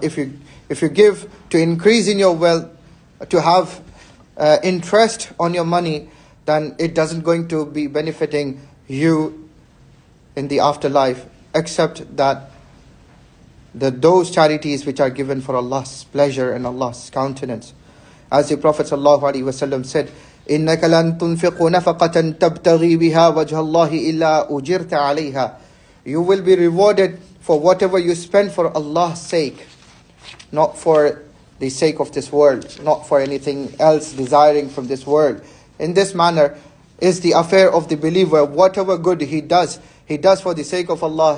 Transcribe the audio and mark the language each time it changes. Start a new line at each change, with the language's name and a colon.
English: If you give to increase in your wealth, to have interest on your money, then it doesn't going to be benefiting you in the afterlife, except that those charities which are given for Allah's pleasure and Allah's countenance. As the Prophet sallallahu alaihi wasallam said,
Arabic: إِنَّكَ لَن تُنْفِقُ نَفَقَةً تَبْتَغِي بِهَا وَجْهَ اللَّهِ إِلَّا أُجِرْتَ عَلَيْهَا.
English: You will be rewarded for whatever you spend for Allah's sake, not for the sake of this world, not for anything else desiring from this world. In this manner is the affair of the believer. Whatever good he does for the sake of Allah.